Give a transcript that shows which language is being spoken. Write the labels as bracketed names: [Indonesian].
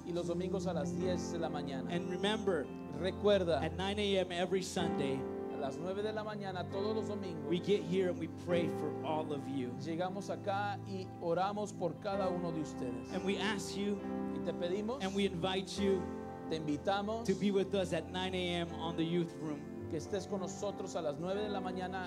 [Spanish] Y los domingos a las 10 de la mañana. [English] And remember, [Spanish] recuerda, [English] at 9 a.m. every Sunday, [Spanish] a las 9 de la mañana todos los domingos, [English] we get here and we pray for all of you. [Spanish] Llegamos acá y oramos por cada uno de ustedes. [English] And we ask you, [Spanish] y te pedimos, [English] and we invite you, [Spanish] te invitamos, [English] to be with us at 9 a.m. on the youth room. [Spanish] Que estés con nosotros a las 9 de la mañana,